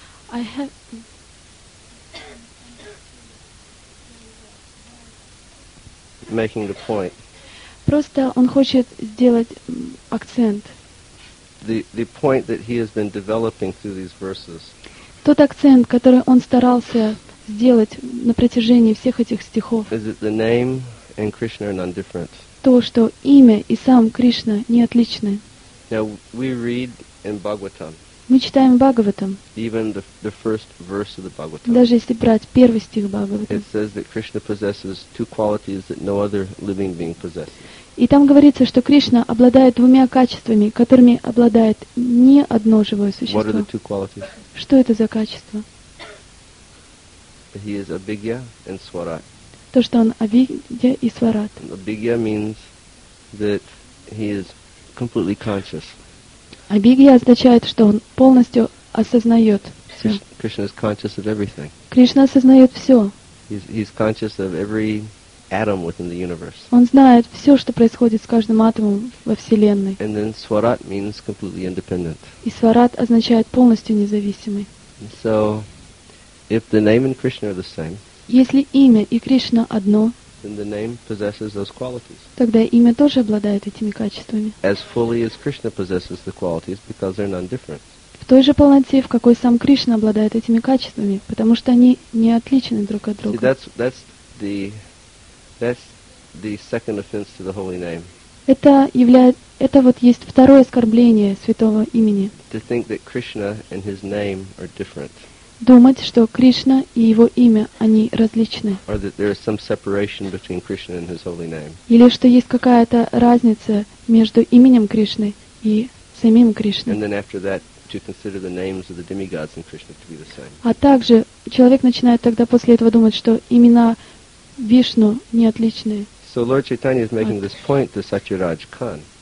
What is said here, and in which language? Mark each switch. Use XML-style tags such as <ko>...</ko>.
<en>I have making the point.</en> <ru>Просто он хочет сделать акцент.</ru> <en>The point that he has been developing through these verses.</en> <ru>Тот акцент, который он старался сделать на протяжении всех этих стихов.</ru> <en>Is that the name and Krishna are none different.</en> <ru>То, что имя и сам Кришна не отличны.</ru> <en>Now we read in Bhagavatam.</en> <ru>Мы читаем Бхагаватам.</ru> <en>Even the first verse of the Bhagavatam.</en> <ru>Даже если брать первый стих Бхагаватам.</ru> <en>It says that Krishna possesses two qualities that no other living being possesses.</en> <ru>И там говорится, что Кришна обладает двумя качествами, которыми обладает ни одно живое существо.</ru> <en>What are the two qualities?</en> <ru>Что это за качество?</ru> <en>He is abhigya and swarat.</en> <ru>То, что он абхигья и сварат.</ru> <en>Abhigya means that he is completely conscious.</en> <ru>Абхигья означает, что он полностью осознает все.</ru> <en>Krishna is conscious of everything.</en> <ru>Кришна осознает все.</ru> <en>He's conscious of every atom within the universe.</en> <ru>Он знает все, что происходит с каждым атомом во Вселенной.</ru> <en>And then swarat means completely independent.</en> <ru>И сварат означает полностью независимый.</ru> <en>So, if the name and Krishna are the same,</en> <ru>если имя и Кришна одно,</ru> <en>then the name possesses those qualities.</en> <ru>Тогда имя тоже обладает этими качествами.</ru> <en>As fully as Krishna possesses the qualities, because they're none different.</en> <ru>В той же полноте, в какой сам Кришна обладает этими качествами, потому что они не отличны друг от друга.</ru> <en>See, that's the second offense to the holy name.</en> <ru>Это вот есть второе оскорбление святого имени.</ru> <en>To think that Krishna and his name are different.</en> <ru>Думать, что Кришна и его имя, они различны.</ru> <en>Or that there is some separation between Krishna and his holy name.</en> <ru>Или что есть какая-то разница между именем Кришны и самим Кришной.</ru> <en>And then after that, to consider the names of the demigods in Krishna to be the same.</en> <ru>А также человек начинает тогда после этого думать, что имена Вишну не отличны.</ru> <en>So Lord Chaitanya is making this point to Satyaraj Khan.</en>